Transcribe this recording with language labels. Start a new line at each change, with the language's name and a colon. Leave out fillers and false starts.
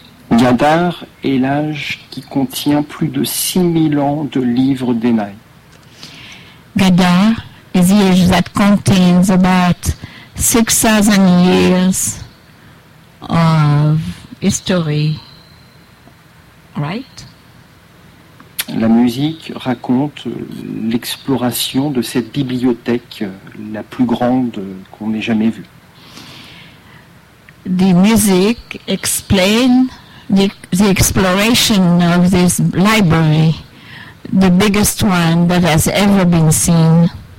French: Gadar est l'âge qui contient plus de 6000 ans de livres d'Enai.
English: Gadar is the age that contains about 6,000 years of history. Right.
French: La musique raconte l'exploration de cette bibliothèque la plus grande qu'on ait jamais vue.
English: the music explain the exploration of this library, the biggest one that has ever been seen.